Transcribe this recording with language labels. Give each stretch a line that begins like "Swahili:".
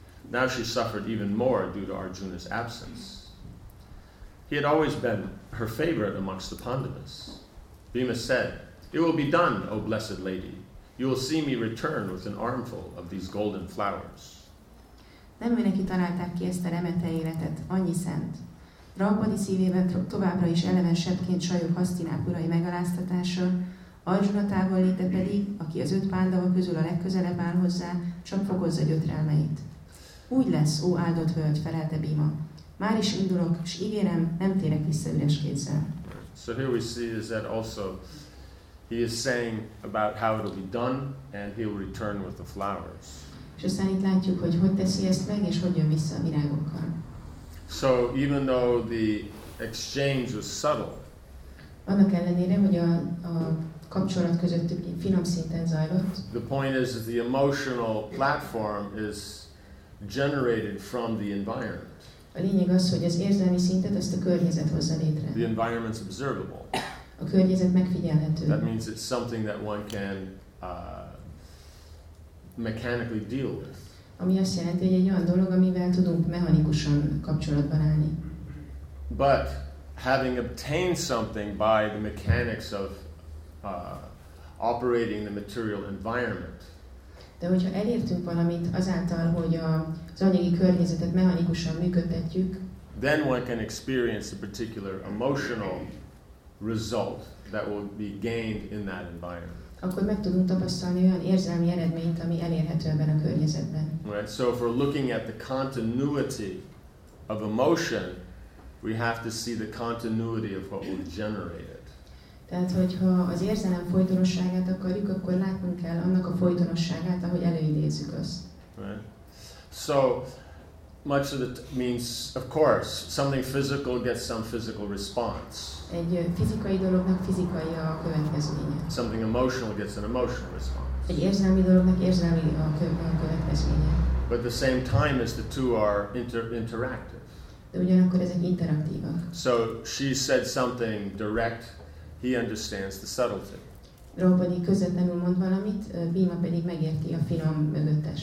English: Now she suffered even more due to Arjuna's absence. He had always been her favorite amongst the Pandavas. Bhima said, "It will be done, O blessed lady. You will see me return with an armful of these golden flowers."
Hungarian: Nem ő neki találták ki ezt a remete életet, annyi szent. Draupadi szívében továbbra is eleven sebbként sajog Hasztinápurai megaláztatása, Arjuna távol léte pedig, aki az öt Pandava közül a legközelebb áll hozzá, csak fogozza gyötrelmeit. Úgy lesz, ó áldott hölgy, felelte Bhima. Már is indulok, és ígérem, nem térek vissza üres kézzel.
English: So here we see is that also he is saying about how it will be done, and he will return with the flowers.
Hungarian: És aztán itt látjuk, hogy hogy teszi ezt meg, és hogy jön vissza a virágokkal.
English: So even though the exchange was subtle,
Hungarian: annak ellenére, hogy a kapcsolat közöttük finom szinten zajlott,
English: the point is that the emotional platform is generated from the environment.
Hungarian: A lényeg az, hogy az érzelmi szintet ezt a környezet hozza létre.
English: The environment's observable.
Hungarian: A környezet megfigyelhető.
English: That means it's something that one can mechanically deal with.
Hungarian: Ami azt jelenti, hogy egy olyan dolog, amivel tudunk mechanikusan kapcsolatban állni.
English: But having obtained something by the mechanics of operating the material environment.
Hungarian: De hogyha elértünk valamit azáltal, hogy az anyagi környezetet mechanikusan működtetjük,
English: then one can experience a particular emotional result that will be gained in that environment.
Hungarian: Akkor meg tudunk tapasztalni olyan érzelmi eredményt, ami elérhető ebben a környezetben.
English: Right. So if we're looking at the continuity of emotion, we have to see the continuity of what will generate.
Hungarian: Tehát, hogyha az érzelem folytonosságát akarjuk, akkor látnunk kell annak a folytonosságát, ahogy előidézzük azt.
English: Right. So, much of it means, of course, something physical gets some physical response.
Hungarian: Egy fizikai dolognak fizikai a következménye.
English: Something emotional gets an emotional response.
Hungarian: Egy érzelmi dolognak érzelmi a következménye.
English: But at the same time as the two are interactive.
Hungarian: De ugyanakkor ezek interaktívak.
English: So, she said something direct. He understands the subtlety.
Hungarian: Draupadi közvetlenül mond valamit, Bhima pedig megérti a finom mögöttes.